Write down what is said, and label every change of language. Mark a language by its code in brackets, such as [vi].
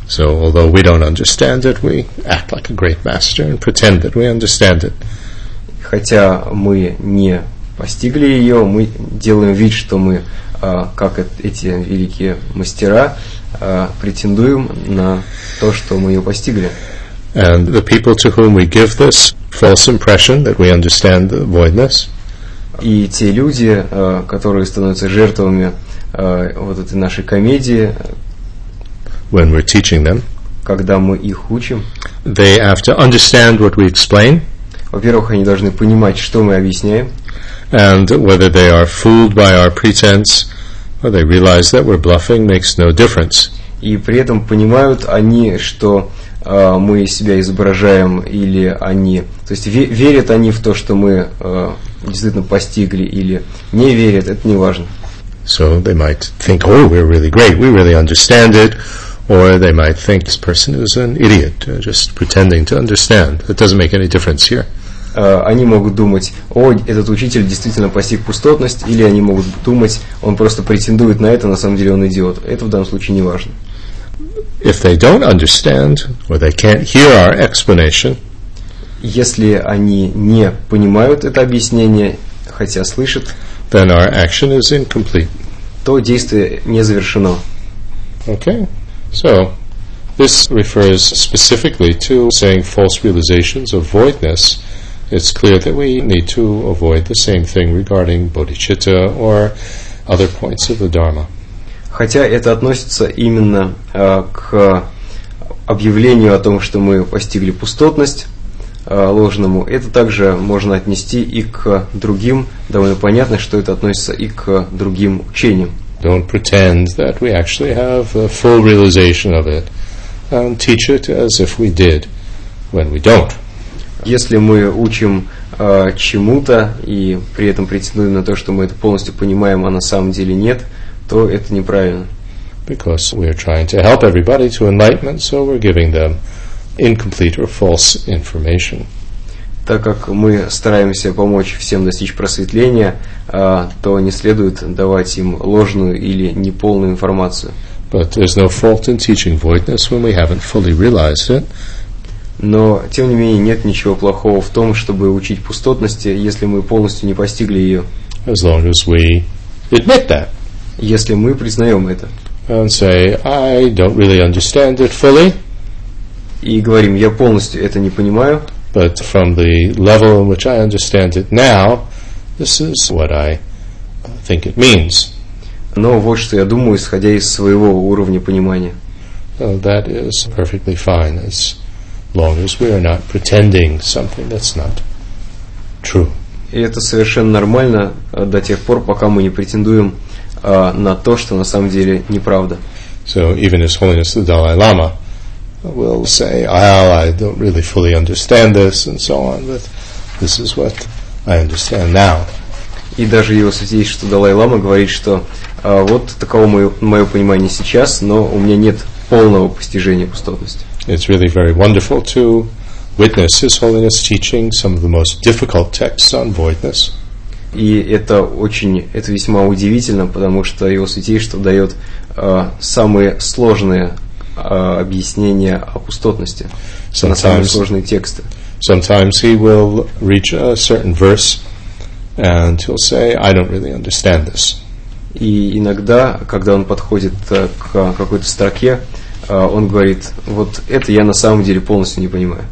[en] So, although we don't understand it, we act like a great master and pretend that we understand it. [ru] Хотя мы не постигли ее, мы делаем вид, что мы как эти великие мастера претендуем на то, что мы ее постигли. [en] And the people to whom we give this false impression that we understand the voidness. [ru] И те люди, которые становятся жертвами вот этой нашей комедии. [en] When we're teaching them. [ru] Когда мы их учим. [en] They have to understand what we explain. [ru] Во-первых, они должны понимать, что мы объясняем. [en] And whether they are fooled by our pretense or they realize that we're bluffing makes no difference. [ru] И при этом понимают они, что мы себя изображаем, или они, то есть верят они в то, что мы действительно постигли, или не верят, это не важно. [en] So they might think, oh, we're really great, we really understand it, or they might think this person is an idiot, just pretending to understand. It doesn't make any difference here. [ru] Они могут думать, о, этот учитель действительно постиг пустотность, или они могут думать, он просто претендует на это, на самом деле он идиот. Это в данном случае не важно. [en] If they don't understand or they can't hear our explanation, [ru] если они не понимают это объяснение, хотя слышат, [en] then our action is incomplete. [ru] То действие не завершено. [en] Okay. So this refers specifically to saying false realizations of voidness. It's clear that we need to avoid the same thing regarding bodhicitta or other points of the Dharma. [ru] Хотя это относится именно к объявлению о том, что мы постигли пустотность ложному, это также можно отнести и к другим, довольно понятно, что это относится и к другим учениям. [en] Don't pretend that we actually have a full realization of it and teach it as if we did when we don't. [ru] Если мы учим чему-то и при этом претендуем на то, что мы это полностью понимаем, а на самом деле нет, то это неправильно. [en] Because we are trying to help everybody to enlightenment, so we're giving them incomplete or false information. [ru] Так как мы стараемся помочь всем достичь просветления, то не следует давать им ложную или неполную информацию. [en] But there's no fault in teaching voidness when we haven't fully realized it. [ru] Но, тем не менее, нет ничего плохого в том, чтобы учить пустотности, если мы полностью не постигли ее. [en] As long as we admit that. [ru] если мы признаем это. [en] And say, I don't really understand it fully. [ru] И говорим, я полностью это не понимаю. [en] But from the level in which I understand it now, this is what I think it means. [ru] Но вот что я думаю, исходя из своего уровня понимания. [en] Well, that is perfectly fine, as long as we are not pretending something that's not true. [ru] И это совершенно нормально до тех пор, пока мы не претендуем на то, что на самом деле неправда. [en] So even His Holiness the Dalai Lama will say, well, I don't really fully understand this, and so on, but this is what I understand now. [ru] И даже Его Святейшество Далай Лама говорит, что вот таково мое понимание сейчас, но у меня нет полного постижения пустотности. [en] It's really very wonderful to witness His Holiness teaching some of the most difficult texts on voidness. [ru] И это весьма удивительно, потому что Его Святейшество дает самые сложные объяснения о пустотности, самые сложные тексты. [en] Sometimes he will reach a certain verse and he'll say, I don't really understand this. [ru] И иногда, когда он подходит к какой-то строке, он говорит, вот это я на самом деле полностью не понимаю.